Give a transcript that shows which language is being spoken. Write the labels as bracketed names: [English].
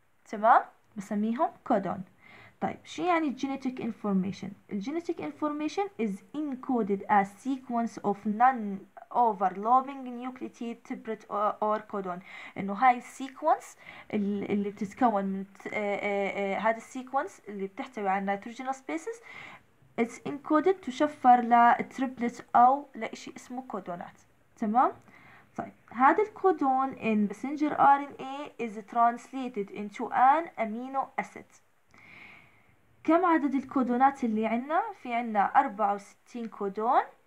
[Arabic] تمام، بسميهم كودون. طيب شو يعني [English] genetic information؟ genetic information is encoded as sequence of non-overlapping nucleotide triplet or codon. [Arabic] إنه هاي السيكونس اللي بتتكون من هذا السيكونس اللي بتحتوي على [English] nitrogenous spaces it's encoded [Arabic] تشفر لتريبلت أو لإشي اسمه كودونات. تمام؟ طيب هذا الكودون [English] in messenger RNA is translated into an amino acid. [Arabic] كم عدد الكودونات اللي عندنا؟ في عندنا 64 كودون.